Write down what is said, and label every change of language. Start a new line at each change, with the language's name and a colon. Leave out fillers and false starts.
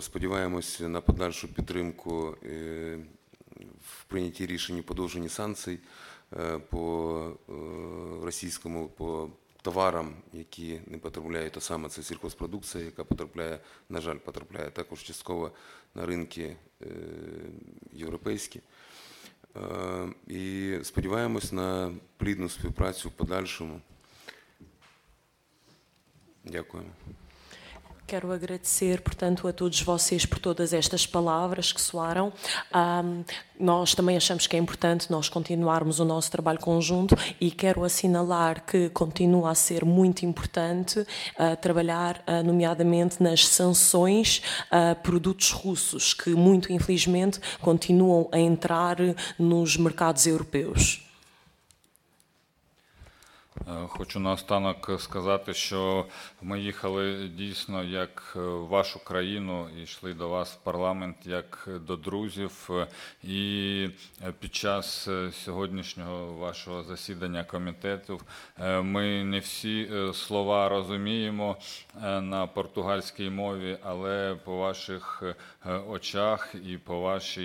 Ukrainian: Сподіваємось на подальшу підтримку в прийнятті рішення подовження санкцій по російському, по товарам, які не потрапляють, а саме це сільхозпродукція, яка потрапляє, на жаль, потрапляє також частково на ринки європейські. І сподіваємось на плідну співпрацю в подальшому. Дякуємо.
Portuguese: Quero agradecer, portanto, a todos vocês por todas estas palavras que soaram. Nós também achamos que é importante nós continuarmos o nosso trabalho conjunto e quero assinalar que continua a ser muito importante trabalhar, nomeadamente, nas sanções a produtos russos, que muito infelizmente continuam a entrar nos mercados europeus.
Ukrainian: Хочу наостанок сказати, що ми їхали дійсно як в вашу країну, йшли до вас в парламент як до друзів, і під час сьогоднішнього вашого засідання комітету ми не всі слова розуміємо на португальській мові, але по ваших очах і по